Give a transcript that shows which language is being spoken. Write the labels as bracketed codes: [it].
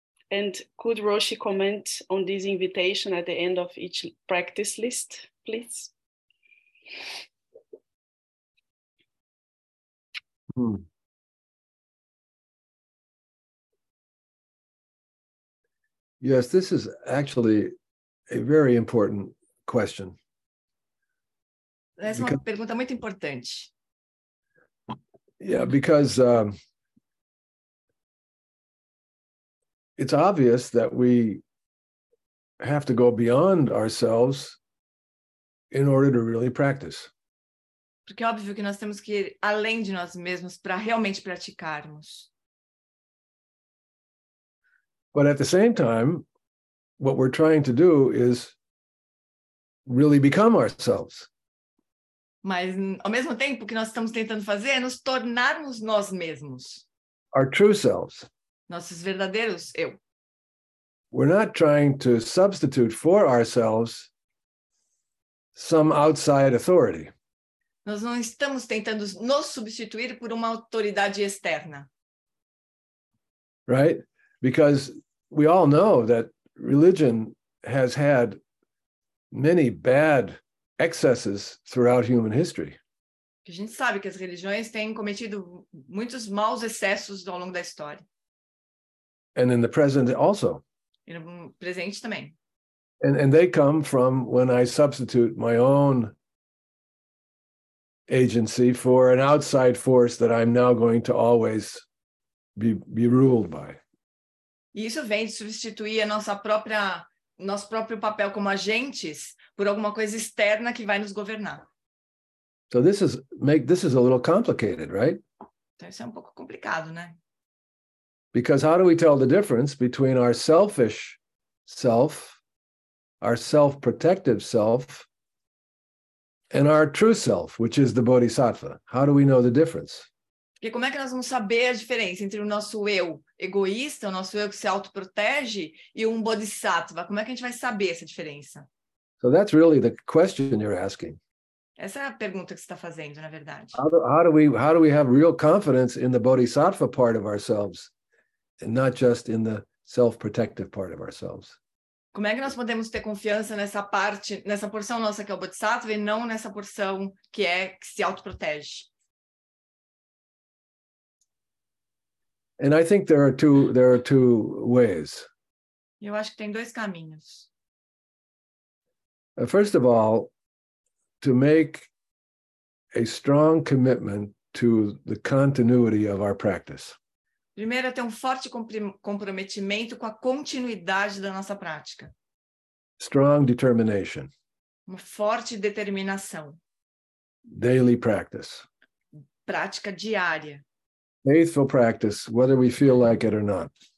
[en] And could Roshi comment on this invitation at the end of each practice list, please? Yes, this is actually a very important question. [pt] Essa é uma pergunta muito importante. [en] Yeah, because it's obvious that we have to go beyond ourselves in order to really practice. [pt] Porque é óbvio que nós temos que ir além de nós mesmos para realmente praticarmos. [en] But at the same time, what we're trying to do is really become ourselves. [pt] Mas ao mesmo tempo, o que nós estamos tentando fazer é nos tornarmos nós mesmos. [en] Our true selves. [pt] Nossos verdadeiros eu. [en] We're not trying to substitute for ourselves some outside authority. [pt] Nós não estamos tentando nos substituir por uma autoridade externa. [en] Right? Because we all know that religion has had many bad excesses throughout human history. [pt] A gente sabe que as religiões têm cometido muitos maus excessos ao longo da história. [en] And in the present also. [pt] E no presente também. [en] And they come from when I substitute my own agency for an outside force that I'm now going to always be ruled by. [pt] E isso vem de substituir a nosso próprio papel como agentes por alguma coisa externa que vai nos governar. [en] So this is a little complicated, right? [pt] Então isso é um pouco complicado, né? [en] Because how do we tell the difference between our selfish self, our self-protective self, and our true self, which is the Bodhisattva? How do we know the difference? [pt] Porque como é que nós vamos saber a diferença entre o nosso eu egoísta, o nosso eu que se autoprotege, e um bodhisattva? Como é que a gente vai saber essa diferença? [en] So that's really the question you're asking. [pt] Essa é a pergunta que você está fazendo, na verdade. [en] How do we have real confidence in the bodhisattva part of ourselves and not just in the self-protective part of ourselves? [pt] Como é que nós podemos ter confiança nessa parte, nessa porção nossa que é o bodhisattva e não nessa porção que é que se autoprotege? [en] And I think there are two ways. [pt] Eu acho que tem dois caminhos. [en] First of all, to make a strong commitment to the continuity of our practice. [pt] Primeiro, ter forte comprometimento com a continuidade da nossa prática. [en] Strong determination. [pt] Uma forte determinação. [en] Daily practice. [pt] Prática diária. [en] Faithful practice, whether we feel like it or not.